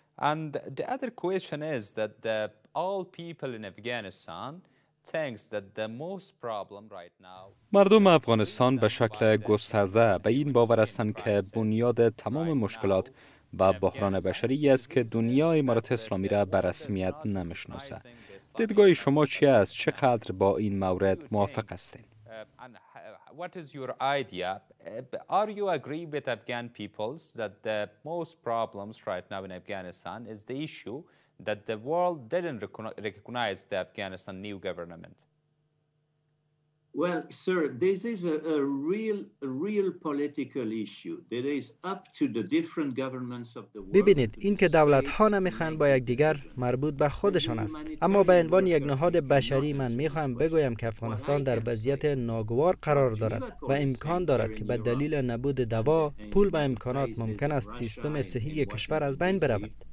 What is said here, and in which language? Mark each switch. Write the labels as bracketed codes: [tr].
[en] And the other question is that the all people in Afghanistan thinks that the most problem right now. [fa] مردم افغانستان به شکل گسترده به این باور هستند که بنیاد تمام مشکلات و بحران بشری است که دنیای امارات اسلامی را به رسمیت نمی‌شناسد. دیدگاه شما چی است؟ چقدر با این مورد موافق هستین؟ [en] What is your idea? Are you agree with Afghan peoples that the most problems right now in Afghanistan is the issue that the world didn't recognize the Afghanistan new government? Well, sir, this is a real political issue. It is up to the different governments of the world. [fa] ببینید، این که دولت‌ها نمی‌خوان با یکدیگر مربوط به خودشان است. اما به عنوان یک نهاد بشری من می‌خوام بگویم که افغانستان در وضعیت ناگوار قرار دارد و امکان دارد که به دلیل نبود دوا، پول و امکانات ممکن است سیستم صحی کشور از بین برود.